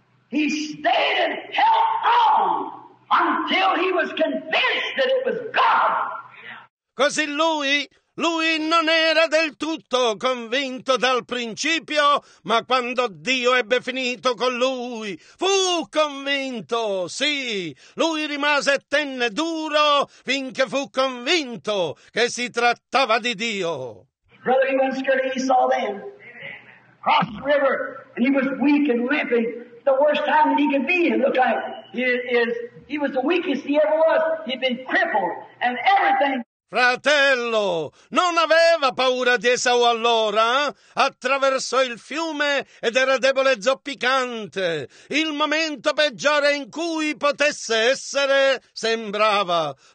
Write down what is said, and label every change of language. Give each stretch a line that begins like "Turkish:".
English: He stayed and held on until he was convinced that it was God.
Italian: Così lui non era del tutto convinto dal principio, ma quando Dio ebbe finito con lui, fu convinto, sì. Lui rimase e tenne duro finché fu convinto che si trattava di Dio.
English: Brother, he went scared to Esau then. Cross the river, and he was weak and limping. The worst time that he could be in, look like. He was the weakest he ever was. He'd been crippled and everything.
Italian: Fratello, non aveva paura di Esau allora? Attraversò il fiume ed era debole e zoppicante. Il momento peggiore in cui potesse essere, sembrava.